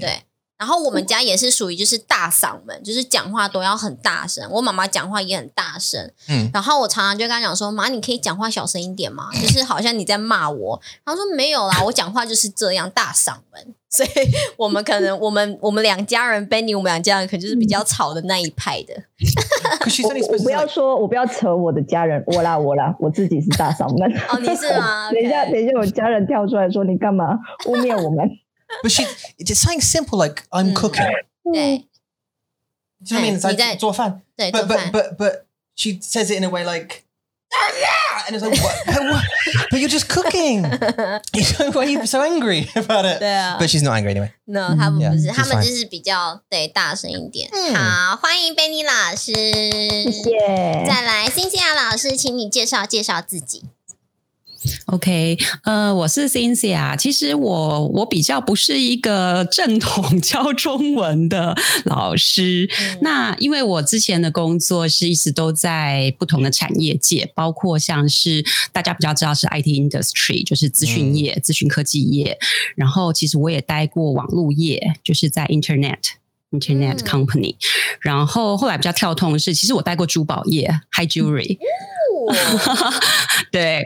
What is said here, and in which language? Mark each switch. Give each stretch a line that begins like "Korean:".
Chinese: 对然后我们家也是属于就是大嗓门就是讲话都要很大声我妈妈讲话也很大声、然后我常常就跟她讲说妈你可以讲话小声一点吗就是好像你在骂我她说没有啦我讲话就是这样大嗓门所以我们可能我们两家人 Benny 我们两家人可能就是比较吵的那一派的我不要说我不要扯我的家人我啦我自己是大嗓门哦你是吗、okay. 等一下我家人跳出来说你干嘛污蔑我们
English: But she, it's something simple like I'm cooking.
Chinese: 对，你知道吗？你在做饭。对，做饭。
English: But she says it in a way like, yeah, and it's like what? But you're just cooking. Why are you so angry about it?
Chinese: 对啊。
English: But she's not angry anyway.
Chinese: No, 他们不是，他们就是比较对大声一点。好，欢迎 Benny 老师。谢谢。再来，Cynthia老师，请你介绍自己。 OK， 我是 Cynthia。其实我比较不是一个正统教中文的老师，那因为我之前的工作是一直都在不同的产业界，包括像是大家比较知道是 IT industry， 就是资讯业、资讯科技业，然后其实我也待过网络业，就是在 internet company， 然后后来比较跳痛的是其实我待过珠宝业 high jewelry。对，